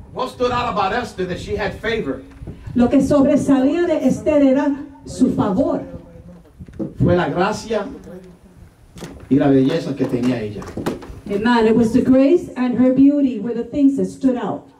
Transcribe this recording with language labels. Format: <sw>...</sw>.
<en>What stood out about Esther that she had favor?</en> <es>Lo que sobresalía de Esther era su favor. Fue la gracia y la belleza que tenía ella. Amen.</es> <en>It was the grace and her beauty were the things that stood out.</en>